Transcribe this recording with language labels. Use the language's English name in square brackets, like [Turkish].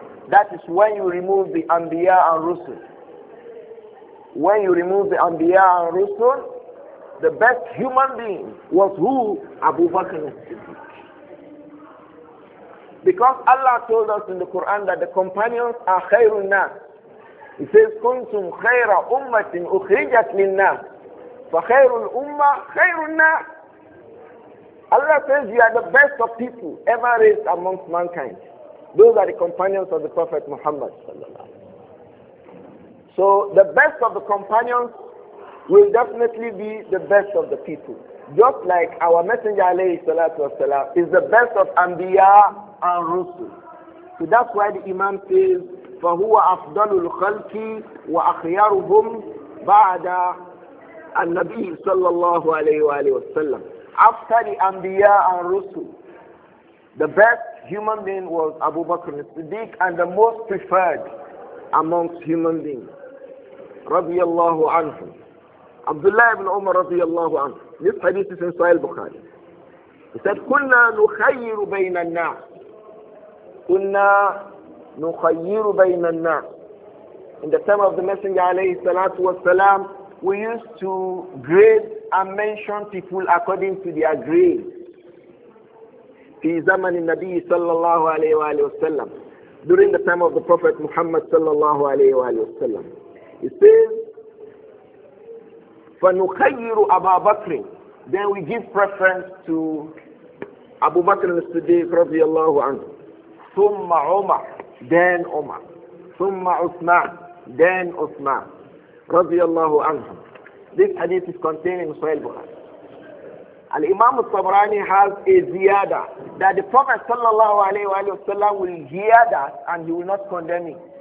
[English] That is when you remove the Anbiya and Rusul. When you remove the Anbiya and Rusul, the best human being was who? Abu Bakr al-Siddiq. Because Allah told us in the Quran that the companions are khayrun nas. He says, [Arabic] كُنْتُمْ خَيْرَ أُمَّةٍ أُخْرِجَتْ لِلنَّاسِ فَخَيْرُ الْأُمَّةِ خَيْرُ النَّاسِ. [English] Allah says, you are the best of people ever raised amongst mankind. Those are the companions of the Prophet Muhammad. So the best of the companions will definitely be the best of the people. Just like our Messenger alayhi salatu wasalam is the best of Anbiya and Rusul. So that's why the Imam says, [Arabic] فَهُوَ أَفْضَلُ الْخَلْقِ وَأَخْيَارُهُمْ بَعْدَ النَّبِيِّ صَلَّى اللَّهُ عَلَيْهِ وَآلِهِ وَسَلَّمْ. [English] After the Anbiya and Rusul, the best human being was Abu Bakr al-Siddiq and the most preferred amongst human beings. Radiallahu anhu. Abdullah ibn Umar radiallahu anhu. This hadith is in Sahih al-Bukhari. [Arabic] He said, كُنَّا نُخَيِّرُ بَيْنَ النَّاسِ. كُنَّا نُخَيِّرُ بَيْنَ النَّاسِ. [English] In the time of the Messenger alayhi salatu wasalam, we used to grade and mention people according to their grade. [Arabic] في زمن النبي صلى الله عليه وآله وسلم. [English] During the time of the Prophet Muhammad [Arabic] صلى الله عليه وآله وسلم. [English] He says, [Arabic] فَنُخَيِّرُ أَبَا بَكْرٍ. [English] Then we give preference to Abu Bakr al-Siddiq [Arabic] رضي الله عنه. ثُمَّ عُمَر. [English] Then Umar. [Arabic] ثُمَّ عُثْمَان. [English] Then Uthman. [Arabic] رضي الله عنه. [English] This hadith is contained in Sahih Bukhari. Al-Imam al-Tabrani has a ziyada that the Prophet sallallahu alayhi wa alayhi wa sallam will hear that and he will not condemn it.